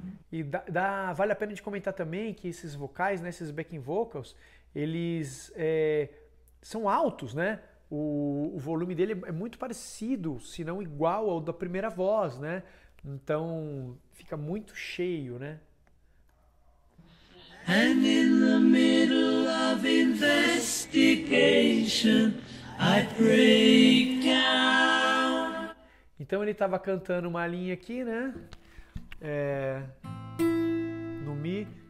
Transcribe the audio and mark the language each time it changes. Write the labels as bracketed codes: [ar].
[pt] E vale a pena de comentar também que esses vocais, né, esses backing vocals, eles são altos, né? O volume dele é muito parecido, se não igual ao da primeira voz, né? Então fica muito cheio, né? [en] And in the middle of investigation, I break down. [pt] Então ele estava cantando uma linha aqui, né? No Mi.